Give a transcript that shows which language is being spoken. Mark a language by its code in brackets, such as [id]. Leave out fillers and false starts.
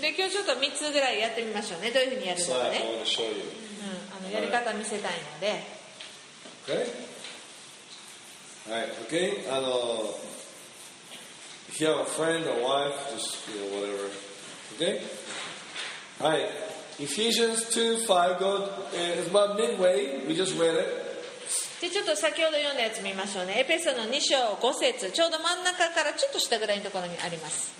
[ja] で、今日ちょっと3つぐらいやってみましょうね。どういうふうにやるのかね。 [en] So I want to show you. [ja] うん、やり方見せたいので。 [en] Okay? Alright, okay? If you have a friend or wife, just, you know, whatever. Okay? Alright, Ephesians 2, 5, go, it's about midway, we just read it. [ja] でちょっと先ほど読んだやつ見ましょうね。エペソの2章5節、ちょうど真ん中からちょっと下ぐらいのところにあります。